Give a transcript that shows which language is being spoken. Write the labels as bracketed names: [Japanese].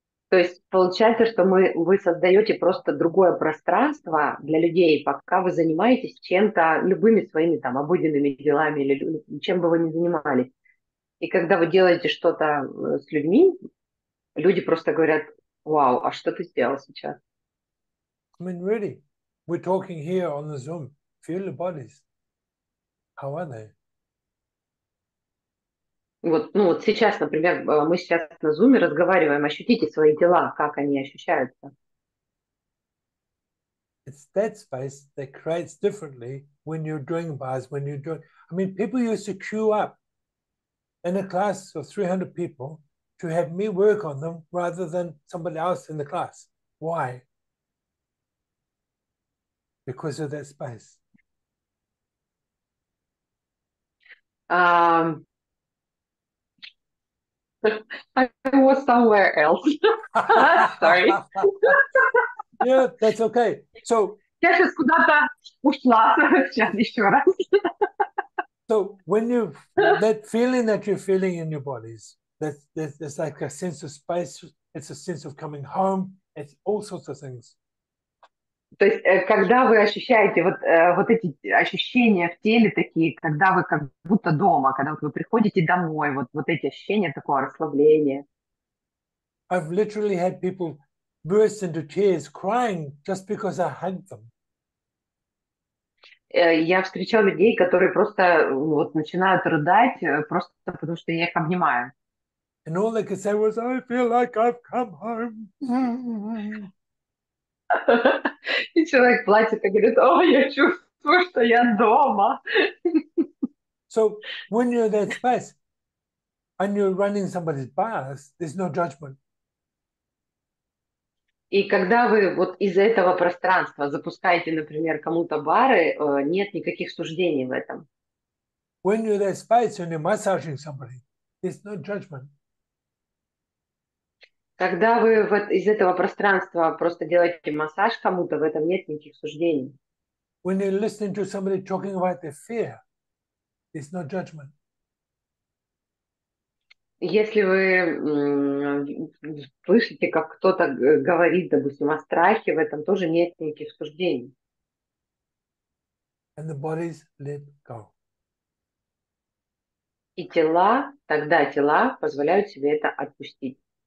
[Russian] То есть получается, что вы создаете просто другое пространство для людей, пока вы занимаетесь чем-то, любыми своими там обыденными делами или чем бы вы ни занимались. И когда вы делаете что-то с людьми, люди просто говорят: «Вау, а что ты сделал сейчас?» [English] I mean, really, we're talking here on the Zoom. Feel the bodies. How are they? [Russian] Вот, ну вот сейчас, например, мы сейчас на Zoom разговариваем. Ощутите свои тела, как они ощущаются. [English] It's that space that creates differently when you're doing bars, when you're doing... I mean, people used to queue up in a class of 300 people to have me work on them rather than somebody else in the class. Why? Because of that space. I was somewhere else. Sorry. Yeah, that's okay. So, [Russian] я сейчас куда-то ушла. Сейчас еще раз. [English] So when you that feeling that you're feeling in your bodies, that's like a sense of space. It's a sense of coming home. It's all sorts of things. [Russian] То есть, когда вы ощущаете вот эти ощущения в теле такие, когда вы как будто дома, когда вот вы приходите домой, вот эти ощущения такого расслабления. [English] I've literally had people burst into tears crying just because I hugged them. [Russian] Я встречала людей, которые просто вот начинают рыдать, просто потому что я их обнимаю. [English] And all they could say was, I feel like I've come home. [Russian] И человек плачет и говорит: «О, я чувствую, что я дома». [English] So when you're in that space and you're running somebody's bars, there's no judgment. [Russian] И когда вы вот из этого пространства запускаете, например, кому-то бары, нет никаких суждений в этом. [English] When you're in that space and you're massaging somebody, there's no judgment. [Russian] Когда вы из этого пространства просто делаете массаж кому-то, в этом нет никаких суждений. [English] When you're listening to somebody talking about their fear, there's no judgment. [Russian] Если вы слышите, как кто-то говорит, допустим, о страхе, в этом тоже нет никаких суждений. [English] And the bodies let go. [Russian] И тела, тогда тела позволяют себе это отпустить.